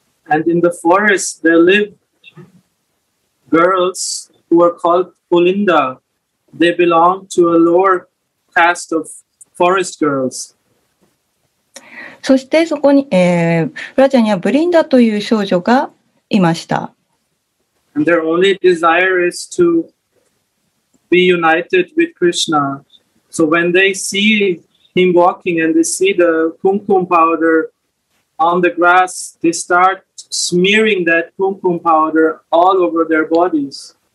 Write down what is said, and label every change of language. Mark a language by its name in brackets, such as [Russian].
[English] And in the forest there live girls who are called Pulinda. They belong to a lower caste of forest girls. [Japanese] そしてそこに、ブラジャにはブリンダという少女がいました。 [English] And their only desire is to be united with Krishna. So when they see him walking and they see the kumkum powder on the grass, they start smearing that kumkum powder all over their bodies.